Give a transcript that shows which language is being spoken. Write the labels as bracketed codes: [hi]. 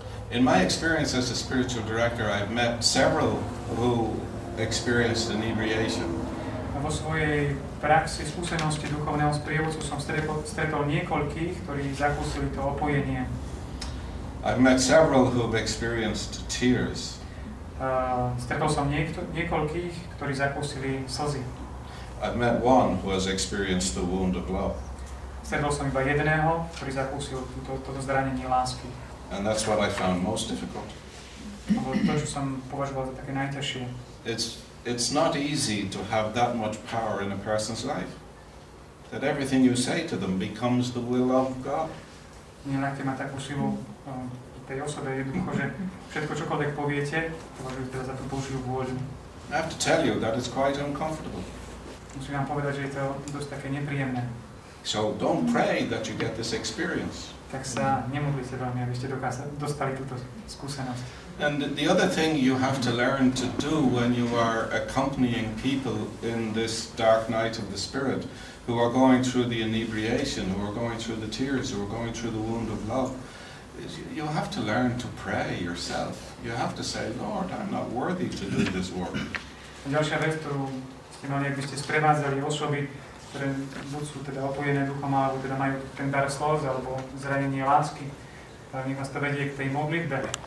[en] In my experience as a spiritual director, I've met several who experienced inebriation. [sk] Vo svojej praxi skúsenosti duchovného sprievodcu som stretol niekoľkých, ktorí zakúsili to opojenie. [en] I've met several who have experienced tears. [sk] Stretol som niekoľkých, ktorí zakúsili slzy. [en] I've met one who has experienced the wound of love. [sk] Stretol som iba jedného, ktorý zakúsil toto zranenie lásky. [en] And that's what I found most difficult. [sk] To, čo som považoval za také najťažšie. [en] It's not easy to have that much power in a person's life. That everything you say to them becomes the will of God. [sk] Nielahké mať takú silu tej osobe, jednoducho, že všetko, čokoľvek poviete, považujete za tú Božiu vôľu. [en] I have to tell you that it's quite uncomfortable. [sk] Musím vám povedať, že je to dosť také nepríjemné. [en] So don't pray that you get this experience. [sk] Tak sa nemodlite veľmi, aby ste dostali túto skúsenosť. [en] And the other thing you have to learn to do when you are accompanying people in this dark night of the spirit who are going through the inebriation, who are going through the tears, who are going through the wound of love, is you have to learn to pray yourself. You have to say, Lord, I'm not worthy to do this work. [sk] Ďalšia vec, ktorú ste mali, ak by ste sprevádzali osoby, ktoré buď sú teda opojené duchom, alebo teda majú ten dar slov, alebo zranenie lásky, tak nech vás to vedie k tej modlitbe.